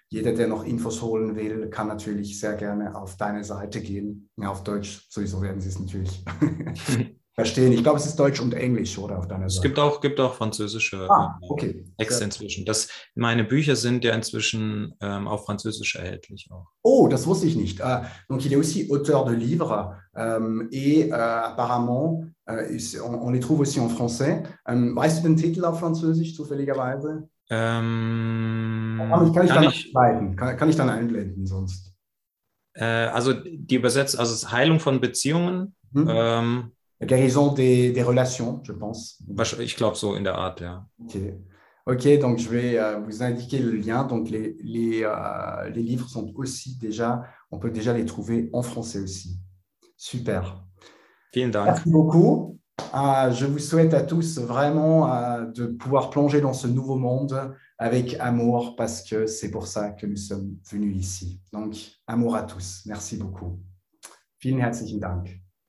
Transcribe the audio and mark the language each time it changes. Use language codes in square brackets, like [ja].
[de] Jeder, der noch Infos holen will, kann natürlich sehr gerne auf deine Seite gehen. Ja, auf Deutsch, sowieso werden sie es natürlich verstehen. Ich glaube, es ist Deutsch und Englisch, oder? Auf deiner es Seite. Gibt auch französische Texte inzwischen. Meine Bücher sind ja inzwischen auf Französisch erhältlich. Auch. Oh, das wusste ich nicht. [fr] Donc, il est aussi auteur de livres. Et apparemment, on les trouve aussi en français. [de] Weißt du den Titel auf Französisch, zufälligerweise? Kann ich dann einblenden sonst? Also die Übersetzung, also Heilung von Beziehungen. [fr] Mhm. Guérison des relations, je pense. [de] Ich glaube so in der Art, ja. [fr] Ok, donc je vais vous indiquer le lien. Donc les livres sont aussi déjà, on peut déjà les trouver en français aussi. Super. [de] Vielen Dank. [fr] Merci beaucoup. Je vous souhaite à tous vraiment de pouvoir plonger dans ce nouveau monde avec amour, parce que c'est pour ça que nous sommes venus ici. Donc, amour à tous. Merci beaucoup. [de] Vielen herzlichen Dank.